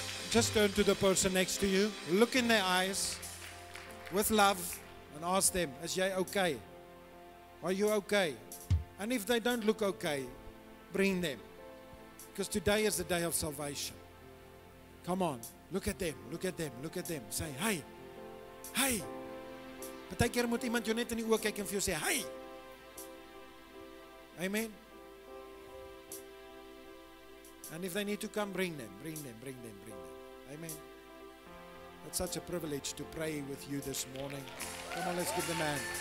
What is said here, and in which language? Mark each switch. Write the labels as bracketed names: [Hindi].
[English] Just turn to the person next to you, look in their eyes with love and ask them, is Jay okay? Are you okay? And if they don't look okay, bring them. Because today is the day of salvation. Come on, look at them, look at them, look at them. Say, hey, hey. [Afrikaans] Partykeer moet iemand jou net in die oë kyk en vir jou sê, hey. [English] Amen. And if they need to come, bring them, bring them, bring them, bring them. Amen. It's such a privilege to pray with you this morning. Come on, let's give the man.